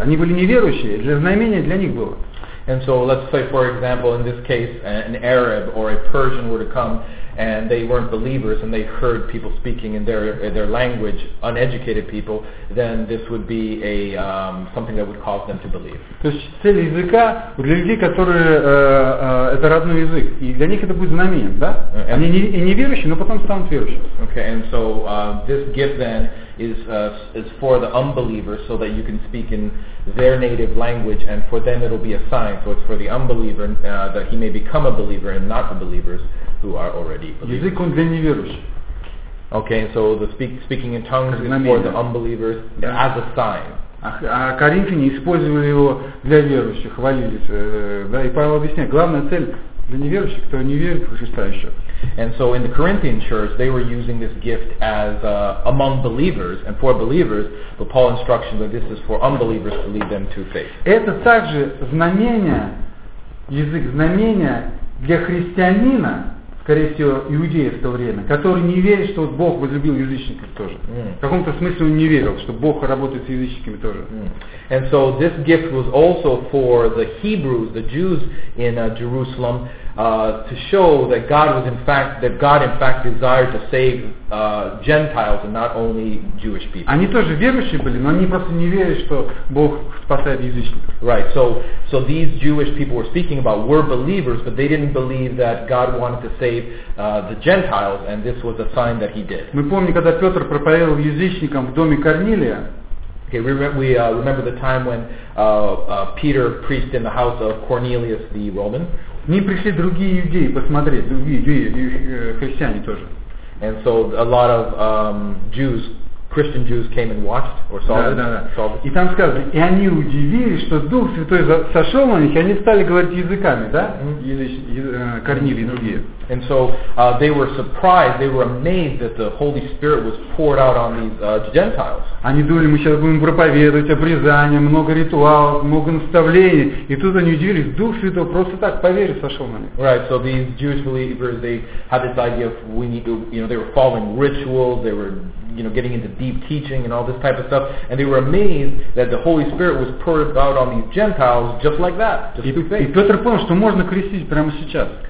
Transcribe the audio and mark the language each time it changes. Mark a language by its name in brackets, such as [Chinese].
[Russian] Они были неверующие, для знамения для них было. [English] And so let's say, for example, in this case, an Arab or a Persian were to come and they weren't believers, and they heard people speaking in their language, uneducated people, then this would be a something that would cause them to believe. [Russian] То есть цель языка для людей, которые это родной язык, и для них это будет знамением, да? Они не верующие, но потом станут верующими. [English] Okay, and so this gift then is for the unbelievers, so that you can speak in their native language, and for them it'll be a sign. So it's for the unbeliever that he may become a believer, and not the believers who are already believers. [Russian] Язык он для неверующих. [English] Okay, so the speaking in tongues is for the unbelievers as a sign. [Russian] А коринфяне использовали его для верующих, хвалились. Да, и Павел объясняет, главная цель для неверующих, кто не верит в Христа еще. [English] And so in the Corinthian church, they were using this gift as among believers and for believers, but Paul instructions that this is for unbelievers to lead them to faith. [Russian] Это также знамение, язык, знамение для христианина, скорее всего, иудея в то время, который не верит, что вот Бог возлюбил язычников тоже. Mm. В каком-то смысле он не верил, что Бог работает с язычниками тоже. Mm. [English] And so this gift was also for the Hebrews, the Jews in Jerusalem, to show that God in fact desired to save Gentiles and not only Jewish people. [Russian] Они тоже верующие были, но они просто не верили, что Бог спасает язычников. [English] Right. So these Jewish people we're speaking about were believers, but they didn't believe that God wanted to save the Gentiles, and this was a sign that He did. [Russian] Мы помним, когда Петр проповедовал язычникам в доме Корнилия. [English] Okay, we remember the time when Peter preached in the house of Cornelius the Roman. [Russian] К ним пришли другие иудеи посмотреть, другие иудеи, христиане тоже. [English] And so a lot of Jews, Christian Jews came and watched or saw it. [Russian] Да. И там сказано, и они удивились, что Дух Святой сошел на них, и они стали говорить языками, да? Корнили и другие. [English] And so they were surprised, they were amazed that the Holy Spirit was poured out on these Gentiles. [Russian] Они думали, мы сейчас будем проповедовать обрезание, много ритуалов, много наставлений, и тут они удивились, Дух Святой просто так поверил, сошел на них. [English] Right, so these Jewish believers, they had this idea of we need to, you know, they were following rituals, they were, you know, getting into deep teaching and all this type of stuff, and they were amazed that the Holy Spirit was poured out on these Gentiles just like that, just through faith. [Russian] И Петр понял, что можно крестить прямо сейчас.